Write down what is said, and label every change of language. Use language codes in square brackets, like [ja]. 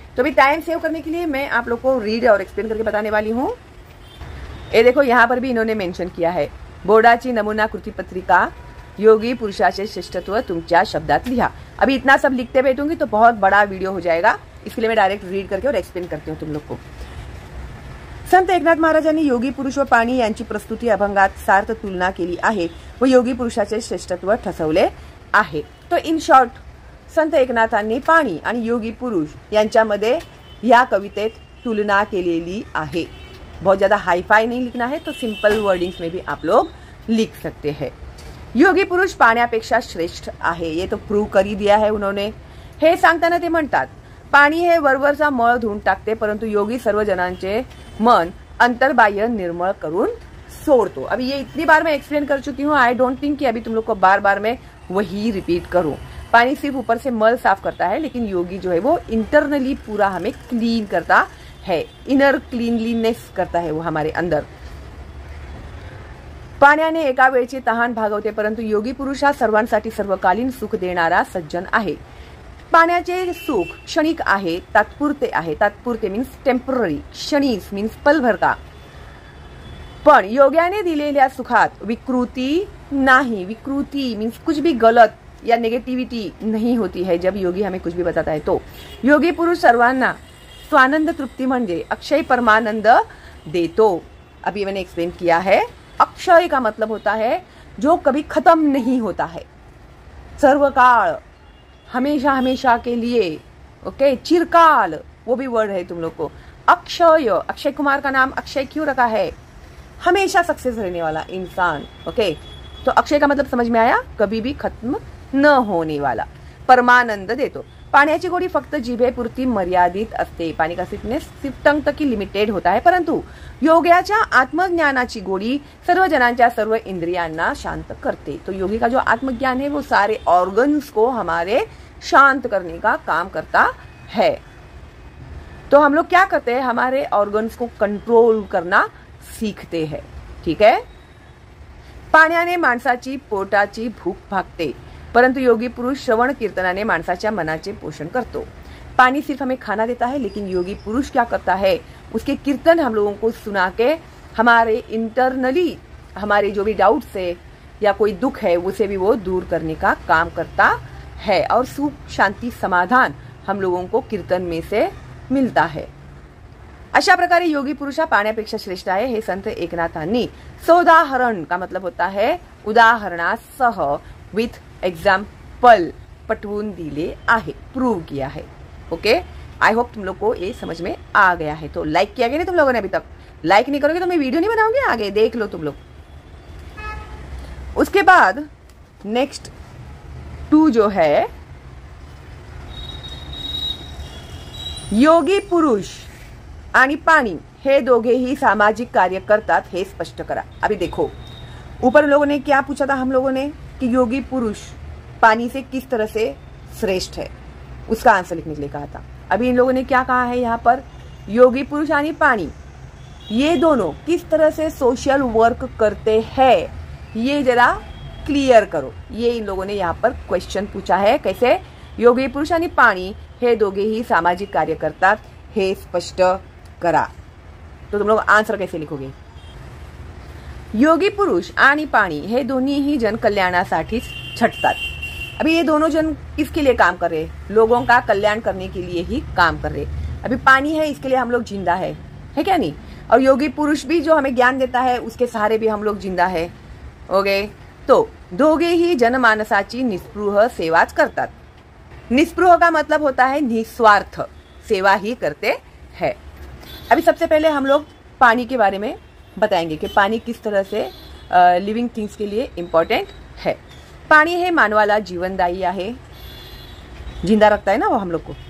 [hi] तो अभी time save करने के लिए मैं आप लोग को रीड और एक्सप्लेन करके बताने वाली हूँ। ये देखो यहाँ पर भी इन्होंने मेंशन किया है, [mr] बोर्डाची नमूना कृती पत्रिका योगी पुरुषाचे श्रेष्ठत्व तुमच्या शब्दात लिहा। [hi] अभी इतना सब लिखते बैठूंगी तो बहुत बड़ा वीडियो हो जाएगा, इसके लिए मैं डायरेक्ट रीड करके और एक्सप्लेन करती हूँ तुम लोग को। [mr] संत एकनाथ महाराजांनी योगी पुरुष व पाणी यांची प्रस्तुती अभंगात सार्थ तुलना केली आहे व योगी पुरुषाचे श्रेष्ठत्व ठसवले आहे। तो इन शॉर्ट संत एकनाथांनी पाणी आणि योगी पुरुष यांच्यामध्ये या कवितेत तुलना केलेली आहे। [hi] बहुत ज्यादा हाईफाय नहीं लिखना है तो सिंपल वर्डिंग्स में भी आप लोग लिख सकते हैं। [mr] योगी पुरुष पाण्यापेक्षा श्रेष्ठ आहे [hi] ये तो प्रूव कर ही दिया है उन्होंने। [mr] हे सांगताना ते म्हणतात पाणी हे वरवरचा मळ धुऊन टाकते परंतु योगी सर्वजनांचे मन अंतर्बाह्य निर्मळ करून सोडतो। [hi] अभी ये इतनी बार मैं एक्सप्लेन कर चुकी हूँ, आई डोंट थिंक कि अभी तुम लोग को बार बार मैं वही रिपीट करूँ। पानी सिर्फ ऊपर से मल साफ करता है लेकिन योगी जो है वो इंटरनली पूरा हमें क्लीन करता है, इनर क्लीनलीनेस करता है वो हमारे अंदर। [mr] पाण्याने एका वेळची तहान भागवते परंतु योगी पुरुष हा सर्वांसाठी सर्वकालीन सुख देणारा सज्जन आहे। पाण्याचे सुख क्षणिक आहे, तात्पुरते आहे, तात्पुरते मीन्स टेम्पररी, क्षणी मीन्स पलभर का, पण योग्याने दिलेल्या सुखात विकृती नाही, [hi] विकृती मीन्स कुछ भी गलत या नेगेटिव्हिटी नहीं होती है जब योगी हमें कुछ भी बताता है। [mr] तो योगी पुरुष सर्वांना स्वानंद तृप्ती म्हणजे अक्षय परमानंद देतो। [hi] अभी मैंने एक्सप्लेन किया है अक्षय का मतलब होता है जो कभी खत्म नहीं होता है, सर्वकाल हमेशा हमेशा के लिए, ओके चिरकाल वो भी वर्ड है तुम लोग को। अक्षय, अक्षय कुमार का नाम अक्षय क्यों रखा है, हमेशा सक्सेस रहने वाला इंसान, ओके तो अक्षय का मतलब समझ में आया, कभी भी खत्म न होने वाला, परमानंद देतो। [mr] पाण्याची गोडी फक्त जिभेपुरती मर्यादित असते, [hi] पाणी का स्वीटनेस सिर्फ टंग तक ही लिमिटेड होता है, [mr] परंतु योग्याच्या आत्मज्ञानाची गोडी सर्व जनांच्या सर्व इंद्रियांना शांत करते। [hi] तो योगी का जो आत्मज्ञान है वो सारे ऑर्गन्स को हमारे शांत करने का काम करता है। तो हम लोग क्या करते हैं, हमारे ऑर्गन्स को कंट्रोल करना सीखते हैं, ठीक है। [mr] पाण्याने माणसाची पोटाची भूक भागते परंतु योगी पुरुष श्रवण कीर्तनाने माणसाच्या मनाचे पोषण करतो। [hi] पाणी सिर्फ हमें खाना देता है लेकिन योगी पुरुष क्या करता है, उसके कीर्तन हम लोगों को सुना के हमारे इंटरनली हमारे जो भी डाउट्स है या कोई दुख है उसे भी वो दूर करने का काम करता है, और सुख शांति समाधान हम लोगों को कीर्तन में से मिलता है। [mr] अशा प्रकारे योगी पुरुष हा पाण्यापेक्षा श्रेष्ठ आहे हे संत एकनाथांनी, सोदाहरण का मतलब होता है उदाहरणासह विथ एग्जाम्पल पटवून दिले आहे, [hi] प्रूव किया है, ओके आई होप तुम लोग को ये समझ में आ गया है। तो लाइक किया गया नहीं तुम लोगों ने अभी तक, लाइक नहीं करोगे तो मैं वीडियो नहीं बनाऊंगी, आगे देख लो तुम लोग। उसके बाद नेक्स्ट [mr] टू जो है योगी पुरुष आणि पाणी हे दोघे ही सामाजिक कार्य करतात हे स्पष्ट करा। [hi] अभी देखो ऊपर लोगों ने क्या पूछा था हम लोगों ने कि योगी पुरुष पानी से किस तरह से श्रेष्ठ है, उसका आंसर लिखने के लिए कहा था। अभी इन लोगों ने क्या कहा है यहाँ पर, योगी पुरुष यानी पानी ये दोनों किस तरह से सोशल वर्क करते हैं ये जरा क्लियर करो। ये इन लोगों ने यहाँ पर क्वेश्चन पूछा है, कैसे योगी पुरुष यानी पानी [mr] हे दोगे ही सामाजिक कार्य करता हे स्पष्ट करा। [hi] तो तुम लोग आंसर कैसे लिखोगे, [mr] योगी पुरुष आणि पाणी हे दोन्ही ही जनकल्याणासाठी छटतात। [hi] अभी ये दोनों जन इसके लिए काम कर रहे, लोगों का कल्याण करने के लिए ही काम कर रहे। अभी पानी है इसके लिए हम लोग जिंदा है क्या नहीं, और योगी पुरुष भी जो हमें ज्ञान देता है उसके सहारे भी हम लोग जिंदा है। [mr] ओके तो दोगे ही जनमानसाची निस्पृह सेवाच करतात। [hi] निस्पृह का मतलब होता है निस्वार्थ सेवा ही करते हैं। अभी सबसे पहले हम लोग पानी के बारे में बताएंगे कि पानी किस तरह से लिविंग थिंग्स के लिए इम्पॉर्टेंट है। पानी है मानवाला जीवनदायी है, जिंदा रखता है ना वो हम लोग को।